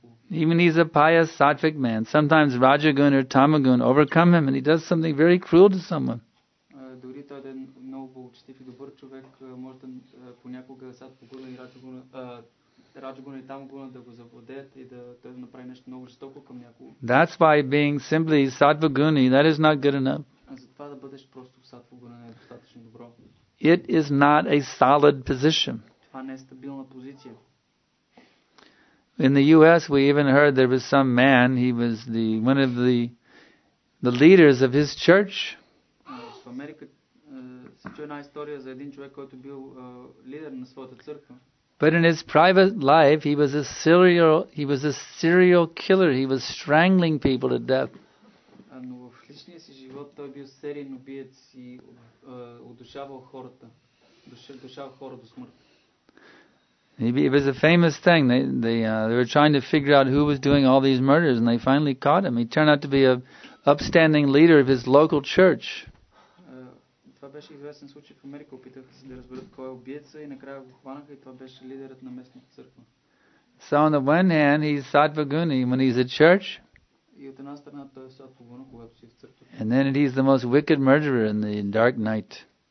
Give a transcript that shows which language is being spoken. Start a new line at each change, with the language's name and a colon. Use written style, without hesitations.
English: Even he's a pious sattvic man. Sometimes rajagun or tamagun overcome him and he does something very cruel to someone.
Bulgarian: Дори той е много благочестив и добър човек, може понякога сатвагун и рачагун Раджгуна и Тамгуна да го завладеят и да той да направи нещо много жестоко към някого.
English: That's why being simply sattvaguni, that is not good enough.
Bulgarian: А за това да бъдеш просто сатвагуна не е достатъчно добро.
English: It is not a solid position.
Bulgarian: Това не е стабилна позиция.
English: In the US we even heard there was some man, he was one of the leaders of his church.
Bulgarian: В Америка се чу една история за един човек, който бил лидер на своята църква.
English: But in his private life he was a serial killer. He was strangling people to death.
Bulgarian: Но в личния си живот той бил сериен убиец и удушавал хората. Удушавал хора до смърт.
English: It was a famous thing. They were trying to figure out who was doing all these murders, and they finally caught him. He turned out to be a upstanding leader of his local church.
Bulgarian: Това беше известен случай в Америка. Опитаха се да разберат кой е убийца и накрая го хванаха и това беше лидерът на местната църква.
English: So on the one hand, he's sattvaguni when he's at church.
Bulgarian: И от една страна той е сатвагуна, когато си в църква.
English: And then he's the most wicked murderer in the dark night.